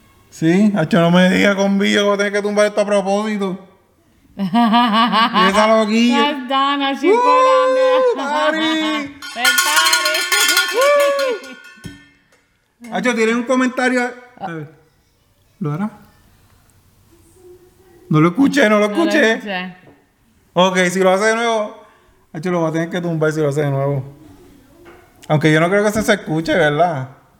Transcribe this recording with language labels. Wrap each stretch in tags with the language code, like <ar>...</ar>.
<es>Sí, hacho, no me diga con billo que voy a tener que tumbar esto a propósito. Esa loquilla.</es> <en>That's Donna, she's full on there. ¡Pari!</en> <es>¡Pari! Hacho, tiene un comentario. A ver. ¿Lo hará? No lo escuché. Ok, si lo hace de nuevo. Hecho, lo va a tener que tumbar si lo hace de nuevo. Aunque yo no creo que se escuche, ¿verdad?</es>